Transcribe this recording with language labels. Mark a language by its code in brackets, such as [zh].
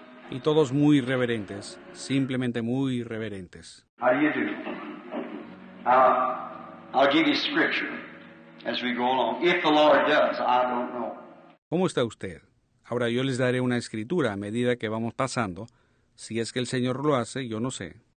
[es] Y todos muy reverentes, simplemente muy reverentes. [en] How do you do? I'll give you scripture as we go along. If the Lord does, I don't know. [es] ¿Cómo está usted? Ahora yo les daré una escritura a medida que vamos pasando. Si es que el Señor lo hace, yo no sé.